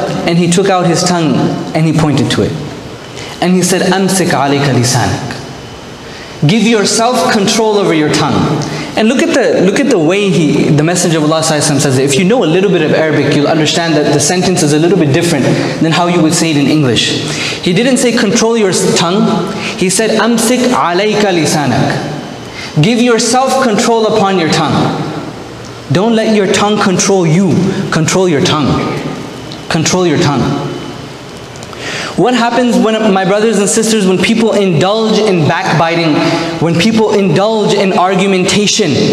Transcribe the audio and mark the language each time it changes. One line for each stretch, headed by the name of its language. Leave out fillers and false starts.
English: And he took out his tongue and he pointed to it. And he said,
Arabic: أَمْسِكْ عَلَيْكَ لِسَانَكَ.
English: Give yourself control over your tongue. And look at the way the Messenger of Allah Sallallahu Alaihi Wasallam says it. If you know a little bit of Arabic, you'll understand that the sentence is a little bit different than how you would say it in English. He didn't say control your tongue. He said,
Arabic: أَمْسِكْ عَلَيْكَ لِسَانَكَ.
English: Give yourself control upon your tongue. Don't let your tongue control you. Control your tongue. Control your tongue. What happens when, my brothers and sisters, when people indulge in backbiting, when people indulge in argumentation?